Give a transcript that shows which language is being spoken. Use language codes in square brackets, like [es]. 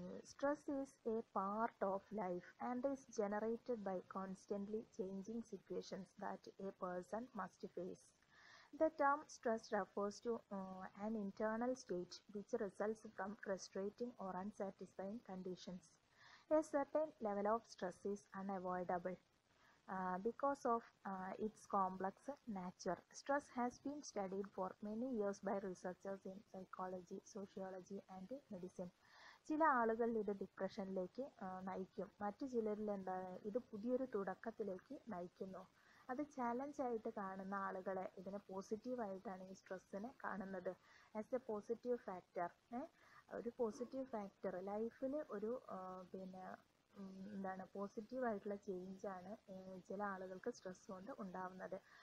[en] Stress is a part of life and is generated by constantly changing situations that a person must face. The term stress refers to an internal state which results from frustrating or unsatisfying conditions. A certain level of stress is unavoidable because of its complex nature. Stress has been studied for many years by researchers in psychology, sociology and medicine. [ml] ചില ആളുകളിൽ ഇത് ഡിപ്രഷനിലേക്ക് നയിക്കും, മറ്റു ചിലരിൽ എന്താണ് ഇത് പുതിയൊരു തുടക്കത്തിലേക്ക് നയിക്കുന്നു. അത് ചാലഞ്ച് ആയിട്ട് കാണുന്ന ആളുകളെ ഇതിനെ പോസിറ്റീവായിട്ടാണ് ഈ സ്ട്രെസ്സിനെ കാണുന്നത്, [en] As a positive factor. [ml] ഒരു പോസിറ്റീവ് ഫാക്ടർ ലൈഫിൽ ഒരു പിന്നെ എന്താണ് പോസിറ്റീവായിട്ടുള്ള ചേഞ്ച് ആണ് ചില ആളുകൾക്ക് സ്ട്രെസ് കൊണ്ട് ഉണ്ടാവുന്നത്.